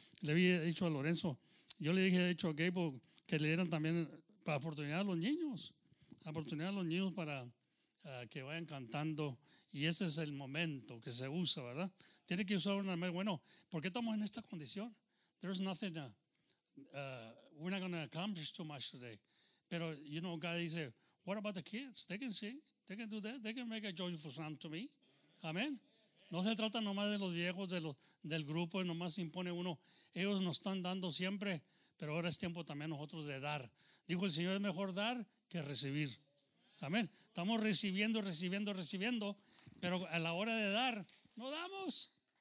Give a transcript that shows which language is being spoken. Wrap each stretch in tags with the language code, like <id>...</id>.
<es>Le había dicho a Lorenzo, yo le dije, he dicho a Gabo que le dieran también oportunidad a los niños. Oportunidad a los niños para que vayan cantando. Y ese es el momento que se usa, ¿verdad? Tiene que usar una. Bueno, ¿por qué estamos en esta condición?</es> <en>There's nothing. We're not going to accomplish too much today. Pero, you know, God dice, what about the kids? They can sing. They can do that. They can make a joyful sound to me.</en> <es>Amén. No se trata nomás de los viejos, del grupo, nomás impone uno. Ellos nos están dando siempre, pero ahora es tiempo también nosotros de dar. Dijo el Señor, es mejor dar que recibir. Amén. Estamos recibiendo, recibiendo, recibiendo, pero a la hora de dar, no damos.</es>